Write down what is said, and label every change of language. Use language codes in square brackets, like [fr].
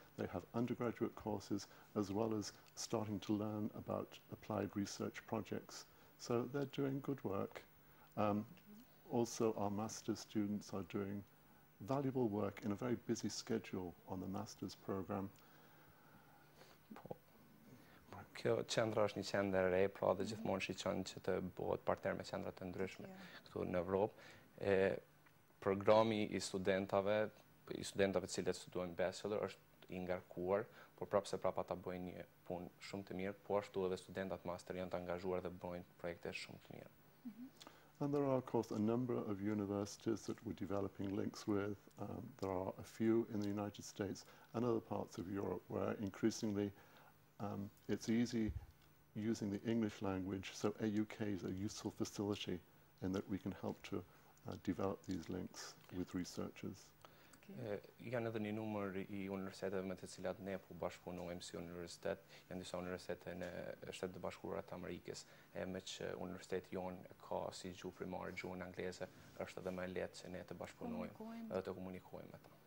[en] They have undergraduate courses as well as starting to learn about applied research projects. So they're doing good work. Also, our master's students are doing valuable work in a very busy schedule on the master's program. [sq] Kjo qendra është një qendër e re, pra dhe gjithmonë shiqon që të bëhet partner me qendra të ndryshme këtu në Evropë. Programi i studentave cilët studojnë bachelor, është i ngarkuar, por prapë se prapë ata bëjnë një punë shumë të mirë, po ashtu edhe studentat master janë të angazhuar dhe bëjnë projekte shumë të mirë. [en] And there are, of course, a number of universities that we're developing links with. There are a few in the United States and other parts of Europe where increasingly It's easy using the English language, so AUK is a useful facility in that we can help to develop these links with researchers. [sq] Janë edhe një numër I universiteteve me të cilat ne po bashkëpunojmë si universitet, janë disa universitete në Shtetet e Bashkuara të Amerikës, e me që universiteti jonë ka si gjuhë primare gjuhën angleze, është edhe më lehtë se ne të bashkëpunojmë dhe të komunikojmë me ta.